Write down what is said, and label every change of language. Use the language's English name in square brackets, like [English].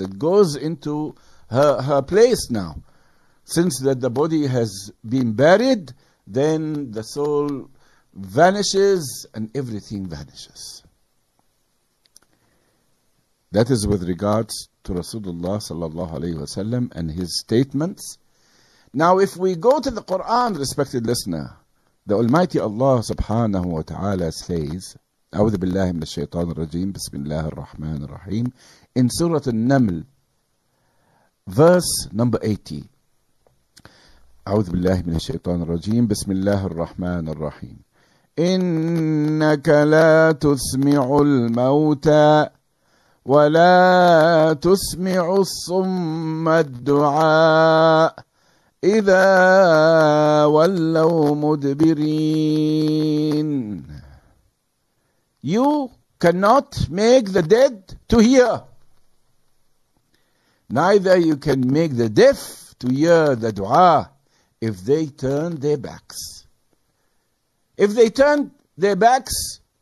[English] It goes into her place now. Since that the body has been buried, then the soul vanishes and everything vanishes. That is with regards to Rasulullah sallallahu alayhi wasallam and his statements. Now, if we go to the Quran, respected listener, the Almighty Allah subhanahu wa ta'ala says, [Arabic] أعوذ بالله من الشيطان الرجيم بسم الله الرحمن الرحيم [English] in سورة النمل verse number 80 [Arabic] أعوذ بالله من الشيطان الرجيم بسم الله الرحمن الرحيم إنك لا تسمع الموتى ولا تسمع الصم الدعاء إذا ولوا مدبرين. [English] You cannot make the dead to hear. Neither you can make the deaf to hear the dua if they turn their backs. If they turn their backs,